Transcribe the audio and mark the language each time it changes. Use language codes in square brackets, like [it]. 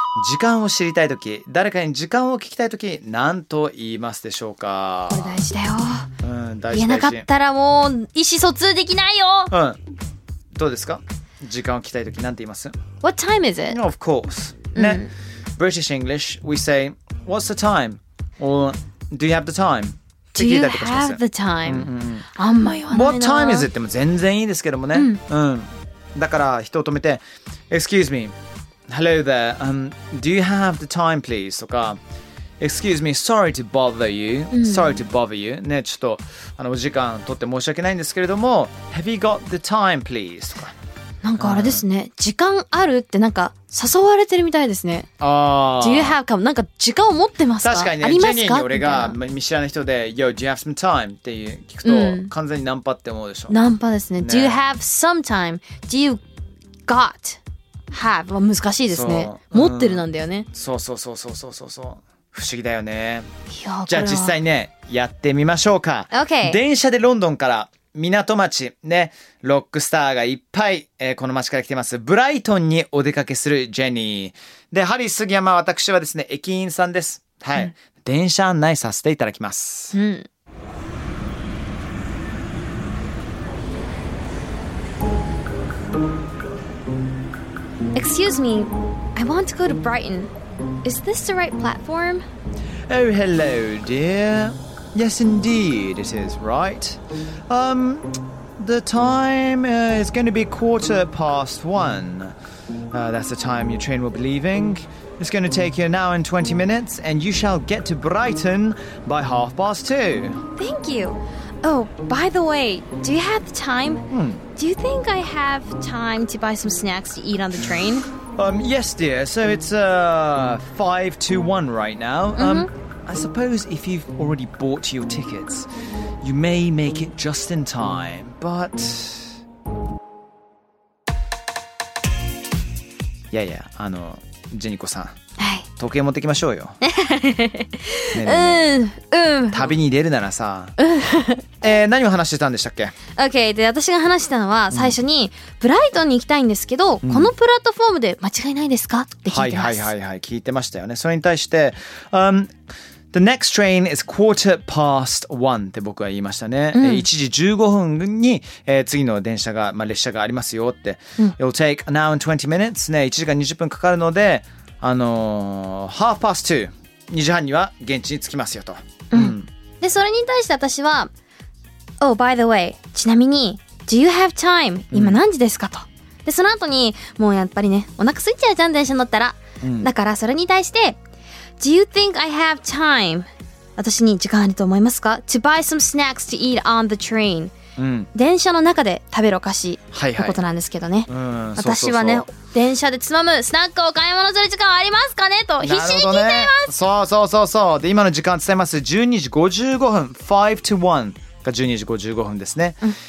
[ja] 時間を知りたいとき誰かに時間を聞きたいとき何と言いますでしょうか大事だよ、うん、大事大事言えなかったらもう意思疎通できないよ、うん、どうですか時間を聞きたいときなんて言います [en] What time is it? Of course、mm. ね、British English We say What's the time? Or Do you have the time? Do you have the time?、 [ja] うんうん、あんま言わないな [en] What time is it? [ja] でも全然いいですけどもね、 mm. うん、だから人を止めて [en] Excuse me Hello there、Do you have the time please? [ja] とか [en] Excuse me Sorry to bother you、mm. Sorry to bother you、 [ja] ね、ちょっとお時間取って申し訳ないんですけれども [en] Have you got the time please? [ja] とかなんかあれですね、うん、時間あるってなんか誘われてるみたいですねあ [en] Do you have time? [ja] なんか時間を持ってますか確かにねありますかジェニーに俺が見知らぬ人で [en] Yo, do you have some time? [ja] っていう聞くと、うん、完全にナンパって思うでしょナンパですね [en] Do you have some time? Do you got have? [ja] は難しいですね、うん、持ってるなんだよねそうそうそうそうそうそうそう不思議だよねいやじゃあ実際ねやってみましょうか、 [en] okay. [ja] 電車でロンドンから港町ねロックスターがいっぱい、この町から来てますブライトンにお出かけするジェニーでハリー杉山私はですね駅員さんですはい、うん、電車案内させていただきます、 [en] うん、Excuse me I want to go to Brighton Is this the right platform? Oh hello dearYes, indeed, it is right. The time is going to be quarter past one. That's the time your train will be leaving. It's going to take you an hour and 20 minutes, and you shall get to Brighton by half past two. Thank you. Oh, by the way, do you have the time? Hmm. Do you think I have time to buy some snacks to eat on the train? Yes, dear. So it's 5:01 right now. Mm-hmm. I suppose if you've already bought your tickets, you may make it just in time, but... Yeah, yeah, ジェニコさん。 [ja] はい。時計持ってきましょうよ。ねね、うん、うん。旅に出るならさ。何を話してたんでしたっけ [en] ?OK。 [ja] で、私が話したのは、最初に、うん、ブライトンに行きたいんですけど、うん、このプラットフォームで間違いないですかって聞いてます。はいはいはいはい。聞いてましたよね。それに対して、 [en] The next train is quarter past one [ja] って僕は言いましたね、うん、 1時15分に、次の電車が、まあ、列車がありますよって、うん、 [en] It'll take an hour and 20 minutes [ja] ね1時間20分かかるので [en] half past two [ja] 2時半には現地に着きますよと、うんうん、でそれに対して私は [en] Oh by the way [ja] ちなみに [en] Do you have time? [ja] 今何時ですかと。でその後にもうやっぱりねお腹空いちゃうじゃん電車乗ったら、うん、だからそれに対して [en] Do you think I have time? [ja] 私に時間あると思いますか [en] To buy some snacks to eat on the train、 [ja] うん、電車の中で食べるお菓子のことなんですけどね、はいはい、私はね電車でつまむスナックを買い物する時間はありますかねと必死に聞いています、ね、そうそうそうそうで今の時間伝えます。12時55分 [en] 5 to 1 [ja] が12時55分ですね、うん